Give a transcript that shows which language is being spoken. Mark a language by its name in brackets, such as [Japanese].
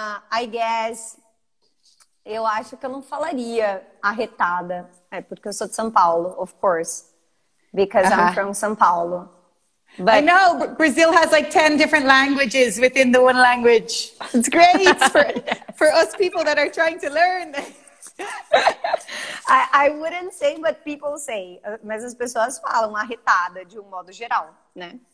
[English] I guess [Portuguese] eu acho que eu não falaria arretada. É porque eu sou de São Paulo, [English] of course. Because I'm from São Paulo. But I know Brazil has like 10 different languages within the one language. It's great for us people that are trying to learn. I wouldn't say, but people say. [Portuguese] Mas as pessoas falam arretada de modo geral, né?